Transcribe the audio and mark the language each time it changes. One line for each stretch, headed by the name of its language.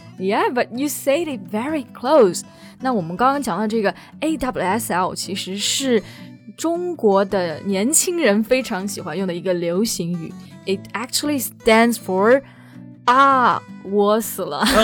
English: Yeah, but you said it very close.
Chinese: 那我们刚刚讲到这个 AWSL 其实是中国的年轻人非常喜欢用的一个流行语。
English: It actually stands for
Chinese: 啊，我死了。